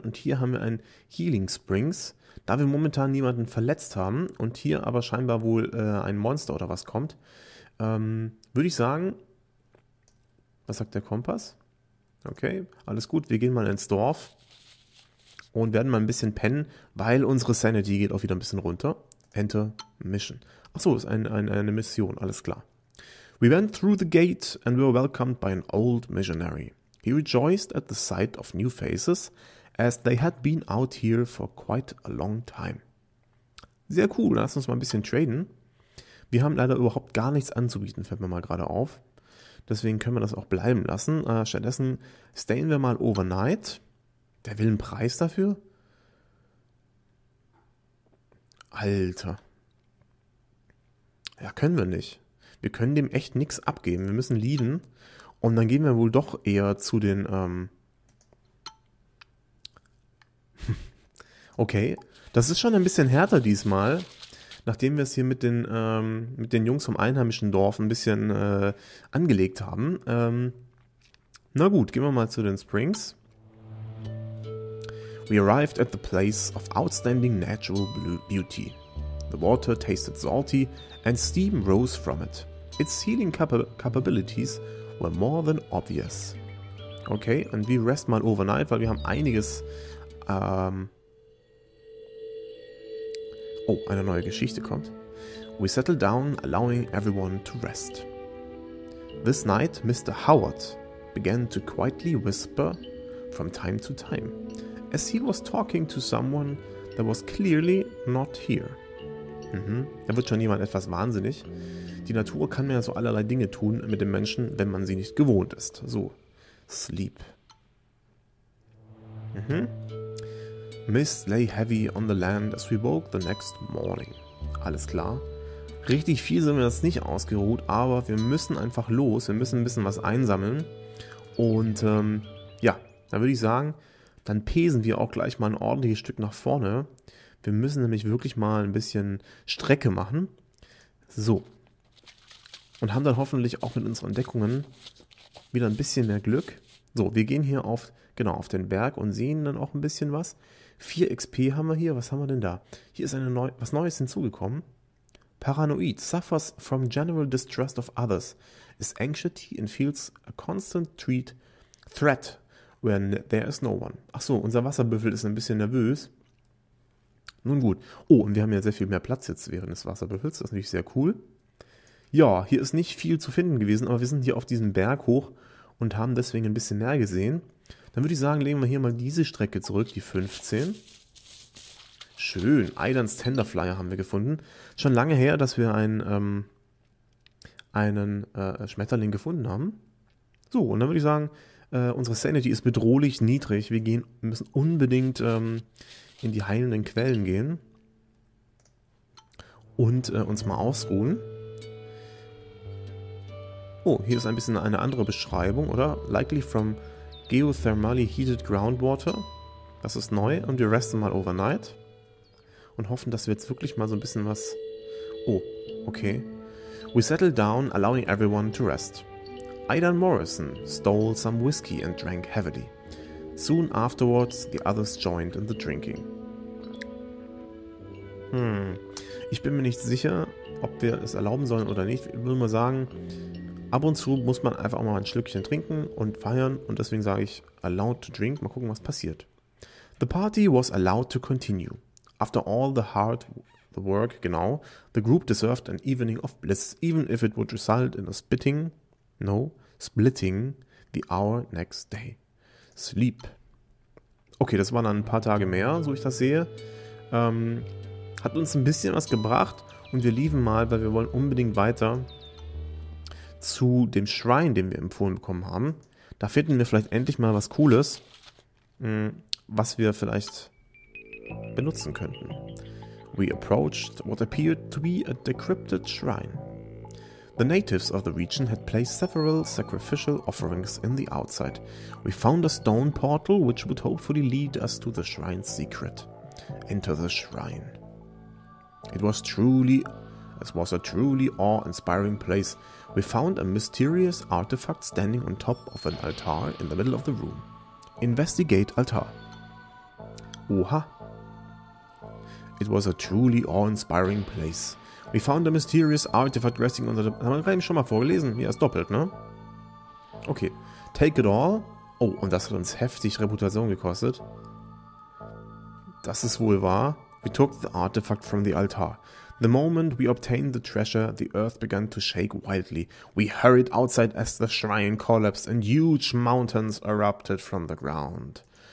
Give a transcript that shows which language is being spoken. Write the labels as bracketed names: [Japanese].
[German] Und hier haben wir ein Healing Springs. Da wir momentan niemanden verletzt haben und hier aber scheinbar wohl ein Monster oder was kommt, würde ich sagen, was sagt der Kompass? Okay, alles gut. Wir gehen mal ins Dorf und werden mal ein bisschen pennen, weil unsere Sanity geht auch wieder ein bisschen runter. [English] Enter Mission. [German] Achso, ist eine Mission, alles klar. [English] We went through the gate and were welcomed by an old missionary. He rejoiced at the sight of new faces, as they had been out here for quite a long time. [German] Sehr cool, lass uns mal ein bisschen traden. Wir haben leider überhaupt gar nichts anzubieten, fällt mir mal gerade auf. Deswegen können wir das auch bleiben lassen. Stattdessen stayen wir mal overnight. Der will einen Preis dafür? Alter. Ja, können wir nicht. Wir können dem echt nichts abgeben. Wir müssen leaden. Und dann gehen wir wohl doch eher zu den, okay. Das ist schon ein bisschen härter diesmal. Nachdem wir es hier mit den Jungs vom einheimischen Dorf ein bisschen angelegt haben. Na gut, gehen wir mal zu den Springs. [English] We arrived at the place of outstanding natural beauty. The water tasted salty and steam rose from it. Its healing capabilities were more than obvious. [German] Okay, und wir rest mal overnight, weil wir haben einiges... Oh, eine neue Geschichte kommt. [English] We settled down, allowing everyone to rest. This night, Mr. Howard began to quietly whisper from time to time, as he was talking to someone that was clearly not here. [German] Mhm. Da wird schon jemand etwas wahnsinnig. Die Natur kann mir ja so allerlei Dinge tun mit dem Menschen, wenn man sie nicht gewohnt ist. [English] So, sleep. Mhm. Mist lay heavy on the land as we woke the next morning. [German] Alles klar. Richtig viel sind wir jetzt nicht ausgeruht, aber wir müssen einfach los. Wir müssen ein bisschen was einsammeln. Und ja, da würde ich sagen, dann pesen wir auch gleich mal ein ordentliches Stück nach vorne. Wir müssen nämlich wirklich mal ein bisschen Strecke machen. So. Und haben dann hoffentlich auch mit unseren Entdeckungen wieder ein bisschen mehr Glück. So, wir gehen hier auf, genau, auf den Berg und sehen dann auch ein bisschen was. 4 XP haben wir hier. Was haben wir denn da? Hier ist eine was Neues hinzugekommen. Paranoid. [English] Suffers from general distrust of others. Is anxiety and feels a constant threat when there is no one. [German] Ach so, unser Wasserbüffel ist ein bisschen nervös. Nun gut. Oh, und wir haben ja sehr viel mehr Platz jetzt während des Wasserbüffels. Das ist natürlich sehr cool. Ja, hier ist nicht viel zu finden gewesen, aber wir sind hier auf diesem Berg hoch und haben deswegen ein bisschen mehr gesehen. Dann würde ich sagen, legen wir hier mal diese Strecke zurück, die 15. Schön, Aidans Tenderflyer haben wir gefunden. Schon lange her, dass wir einen Schmetterling gefunden haben. So, und dann würde ich sagen, unsere Sanity ist bedrohlich niedrig. Wir müssen unbedingt in die heilenden Quellen gehen und uns mal ausruhen. Oh, hier ist ein bisschen eine andere Beschreibung, oder? [English] Likely from geothermally heated groundwater. [German] Das ist neu. Und wir resten mal overnight. Und hoffen, dass wir jetzt wirklich mal so ein bisschen was... [English] Oh, okay. We settled down, allowing everyone to rest. Aidan Morrison stole some whiskey and drank heavily. Soon afterwards, the others joined in the drinking. [German] Ich bin mir nicht sicher, ob wir es erlauben sollen oder nicht. Ich würde mal sagen... Ab und zu muss man einfach auch mal ein Schlückchen trinken und feiern und deswegen sage ich [English] allowed to drink, [German] mal gucken, was passiert. [English] The party was allowed to continue. After all the hard work, genau, the group deserved an evening of bliss, even if it would result in a splitting the hour next day. Sleep. [German] Okay, das waren dann ein paar Tage mehr, so ich das sehe. Hat uns ein bisschen was gebracht und wir lieben mal, weil wir wollen unbedingt weiter zu dem Schrein, den wir empfohlen bekommen haben. Da finden wir vielleicht endlich mal was Cooles, was wir vielleicht benutzen könnten. [English] We approached what appeared to be a decrypted shrine. The natives of the region had placed several sacrificial offerings in the outside. We found a stone portal, which would hopefully lead us to the shrine's secret. Enter the shrine. This was a truly awe-inspiring place. We found a mysterious artifact standing on top of an altar in the middle of the room. Investigate altar. Oha. It was a truly awe-inspiring place. We found a mysterious artifact resting on the... [German] Haben wir gerade schon mal vorgelesen? Ja, ist doppelt, ne? Okay. [English] Take it all. [German] Oh, und das hat uns heftig Reputation gekostet. Das ist wohl wahr. [English] We took the artifact from the altar. The moment we obtained the treasure, the earth began to shake wildly. We hurried outside as the shrine collapsed and huge mountains erupted from the ground.